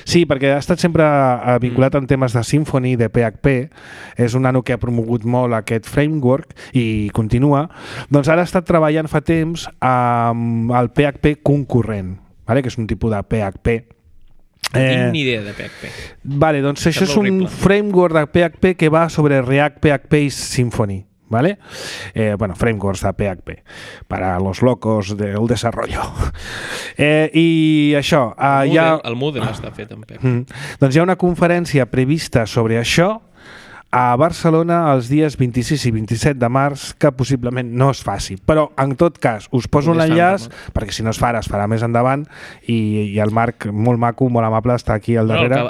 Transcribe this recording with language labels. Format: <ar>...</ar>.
<ca>Sí, perquè ha estat sempre vinculat en temes de Symfony, de PHP, és un nano que ha promogut molt aquest framework i continua. Doncs ara ha estat treballant fa temps amb el PHP concurrent, vale? Que és un tipus de PHP. No tinc ni idea de PHP. Vale, doncs això és un framework de PHP que va sobre React, PHP i Symfony. Vale?</ca> <es>Bueno, frameworks de PHP para los locos del desarrollo.</es> <ca>I això, el Moodle està fet en PHP. Doncs hi ha una conferència prevista sobre això a Barcelona els dies 26 i 27 de març, que possiblement no es faci. Però, en tot cas, us poso un enllaç, perquè si no es farà, es farà més endavant, i el Marc, molt maco, molt amable, està aquí al darrere.</ca>